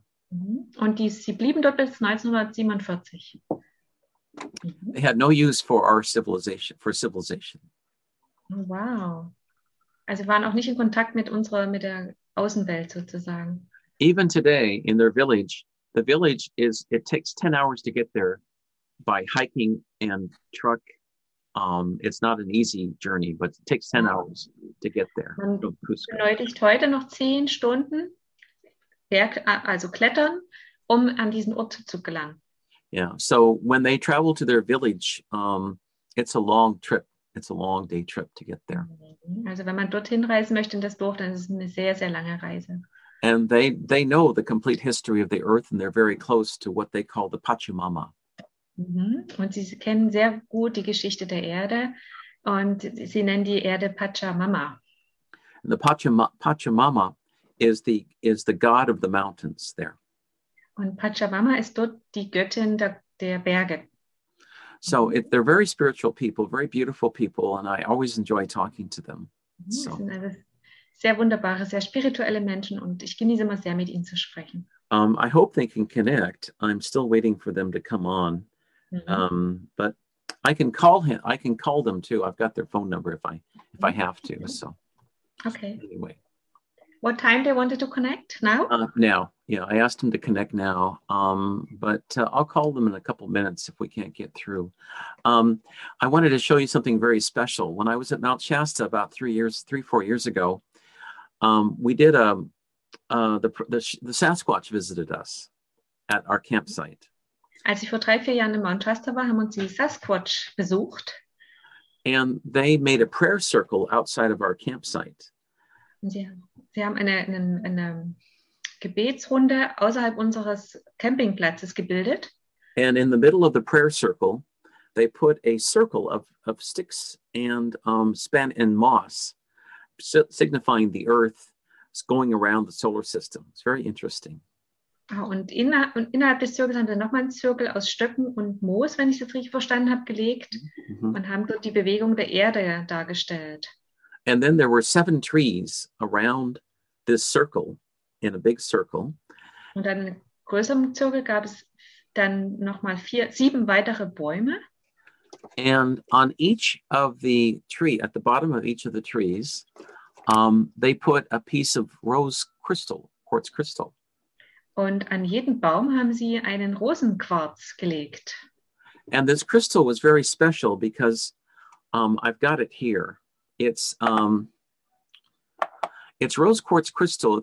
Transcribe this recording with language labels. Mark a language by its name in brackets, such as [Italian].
[German] Und sie blieben dort bis 1947. [English] They had no use for our civilization. For civilization. Oh, wow. [German] Also waren auch nicht in Kontakt mit der Außenwelt sozusagen. [English] Even today in their village, the village is, it takes 10 hours to get there. By hiking and truck, it's not an easy journey, but it takes 10 hours to get there. [German] Benötigt heute noch 10 Stunden, also klettern, um an diesen Ort zu gelangen. [English] Yeah, so when they travel to their village, it's a long trip. It's a long day trip to get there. [German] Also wenn man dorthin reisen möchte in das Dorf, dann ist es eine sehr, sehr lange Reise. [English] And they know the complete history of the earth, and they're very close to what they call the Pachamama. [German] Und sie kennen sehr gut die Geschichte der Erde und sie nennen die Erde Pachamama. [English] The Pachamama is the god of the mountains there. [German] Und Pachamama ist dort die Göttin der Berge. [English] So they're very spiritual people, very beautiful people, and I always enjoy talking to them. So. [German] Sind also sehr wunderbare, sehr spirituelle Menschen und ich genieße immer sehr, mit ihnen zu sprechen. [English] I hope they can connect. I'm still waiting for them to come on. But I can call him. I can call them too. I've got their phone number if I have to. So, okay. Anyway, what time they wanted to connect now? Now, yeah. I asked them to connect now. I'll call them in a couple minutes if we can't get through. I wanted to show you something very special. When I was at Mount Shasta about 3 years, 3-4 years ago, we did the Sasquatch visited us at our campsite. [German] Als ich vor 3-4 Jahren in Mount Shasta war, haben uns die Sasquatch besucht. [English] And they made a prayer circle outside of our campsite. [German] Sie haben eine Gebetsrunde außerhalb unseres Campingplatzes gebildet. [English] And in the middle of the prayer circle, they put a circle of sticks and span and moss, signifying the earth going around the solar system. It's very interesting. [German] Ah, und innerhalb des Zirkels haben wir nochmal einen Zirkel aus Stöcken und Moos, wenn ich das richtig verstanden habe, gelegt und haben dort die Bewegung der Erde dargestellt. [English] And then there were 7 trees around this circle, in a big circle. [German] Und dann in größerem Zirkel gab es dann nochmal 7 weitere Bäume. [English] And on each of the tree, at the bottom of each of the trees, they put a piece of rose crystal, quartz crystal. [German] Und an jeden Baum haben sie einen Rosenquarz gelegt. [English] And this crystal was very special because I've got it here. It's rose quartz crystal.